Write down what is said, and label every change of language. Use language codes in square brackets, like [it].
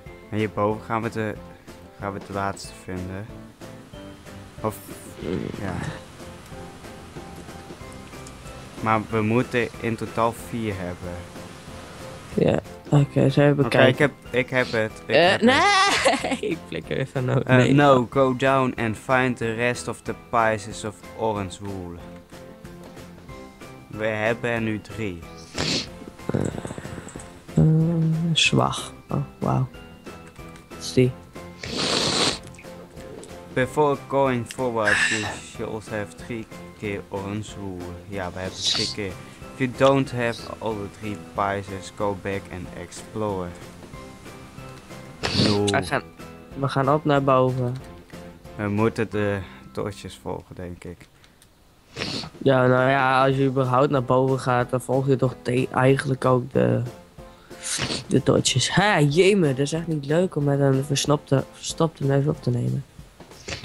[nl] En hierboven gaan we de laatste vinden. Of... Ja. Maar we moeten in totaal 4 hebben. Ja, oké, okay, zijn we bekijken. Oké, ik heb het. Ik flikker even ook. [en] No, go down and find the rest of the pieces of orange wool. [nl] We hebben er nu 3. Zwag. Oh, wauw. Zie. [en] Before going forward, you should also have 3 keer orange wool. [nl] Ja, we hebben 3 keer. [en] If you don't have all the 3 pieces, go back and explore. No. [nl] We gaan op naar boven. We moeten de torches volgen, denk ik. Ja, nou ja, als je überhaupt naar boven gaat, dan volg je toch eigenlijk ook de torches. Ha, jemen, dat is echt niet leuk om met een verstopte neus op te nemen. Ja.